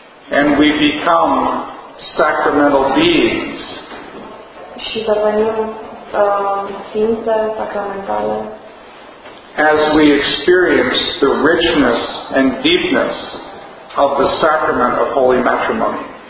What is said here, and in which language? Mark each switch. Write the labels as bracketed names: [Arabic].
[English] And we become sacramental beings. [Romanian] Și devenim ființe sacramentale. [English] as we experience the richness and deepness of the sacrament of holy matrimony.